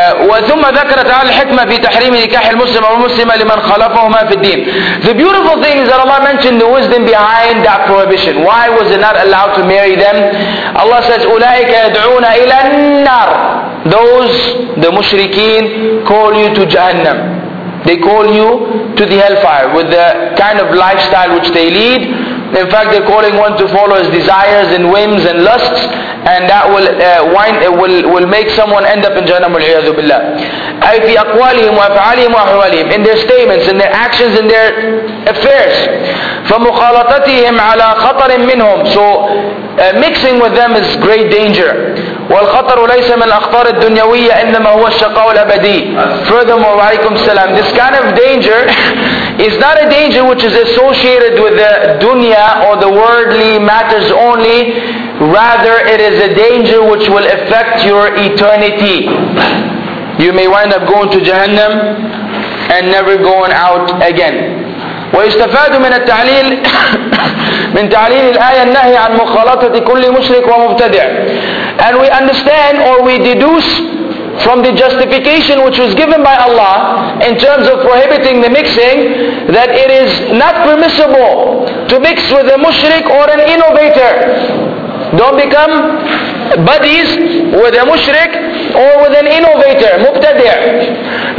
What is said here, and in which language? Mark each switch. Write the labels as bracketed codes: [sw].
[ar] وثم ذكر تعالى الحكمة في تحريم نكاح المسلم أو المسلمة لمن خالفهما في الدين. [en] The beautiful thing is that Allah mentioned the wisdom behind that prohibition. Why was it not allowed to marry them? Allah says, [ar] أولئك يدعون إلى النار. [en] Those, the mushrikeen, call you to Jahannam. They call you to the hellfire with the kind of lifestyle which they lead. In fact, they're calling one to follow his desires and whims and lusts, and that will make someone end up in Jahannam, [ar] wal-iyadhu billah. أي في أقوالهم وأفعالهم وأحوالهم, [en] in their statements, in their actions, in their affairs. [ar] فمخالطتهم على خطر منهم. [en] So mixing with them is great danger. [ar] والخطر ليس من الأخطار الدنيوية إنما هو الشقاء الأبدي. [en] Furthermore, [ar] عليكم السلام. [en] This kind of danger is not a danger which is associated with the dunya or the worldly matters only. Rather, it is a danger which will affect your eternity. You may wind up going to Jahannam and never going out again. [ar] ويستفاد من التعليل من تعليل الآية النهي عن مخالطة كل مشرك ومبتدع. [en] And we understand or we deduce from the justification which was given by Allah in terms of prohibiting the mixing, that it is not permissible to mix with a mushrik or an innovator. Don't become buddies with a mushrik or with an innovator, mubtadi'.